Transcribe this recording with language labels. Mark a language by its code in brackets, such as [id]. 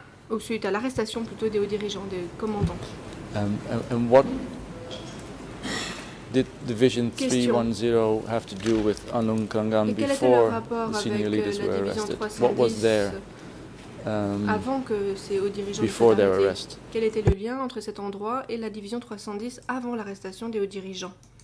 [fr] Ou suite à l'arrestation plutôt des hauts dirigeants, des commandants. [en] And what did Division 310 have to do with Anglung Krangan before the senior leaders were arrested? What was there? [fr] Avant que ces hauts dirigeants soient arrêtés, quel était le lien entre cet endroit et la division 310 avant l'arrestation des hauts dirigeants?